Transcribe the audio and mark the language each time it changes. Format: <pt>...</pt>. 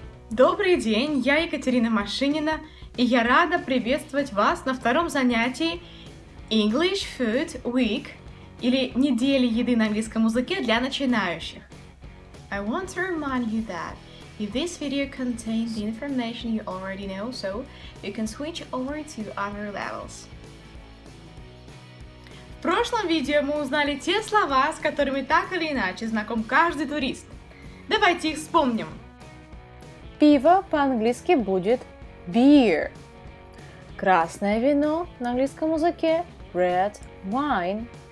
<ru>Добрый день, я Екатерина Машинина, и я рада приветствовать вас на втором занятии English Food Week, или недели еды на английском языке для начинающих.</ru> <en>I want to remind you that if this video contains the information you already know, so you can switch over to other levels.</en> <ru>В прошлом видео мы узнали те слова, с которыми так или иначе знаком каждый турист. Давайте их вспомним. Пиво по-английски будет beer. Красное вино на английском языке red wine.</ru>